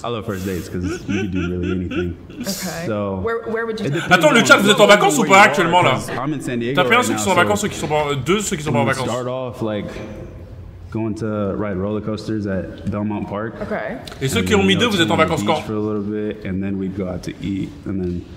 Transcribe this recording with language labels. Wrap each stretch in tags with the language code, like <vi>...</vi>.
<en>I love first dates because you can do really anything. Okay. So where would you?</en> <fr>Attends, le chat, vous êtes en vacances ou pas actuellement là?</fr> <en>I'm in San Diego.</en> <fr>T'as plein ceux qui sont en vacances, ceux qui sont pas, deux ceux qui sont pas en vacances.</fr> <en>Start off like going to ride roller coasters at Belmont Park. Okay.</en> <fr>Et ceux qui ont mis deux, vous êtes en vacances quand?</fr> <en>For a little bit, and then we'd go out to eat, and then.</en>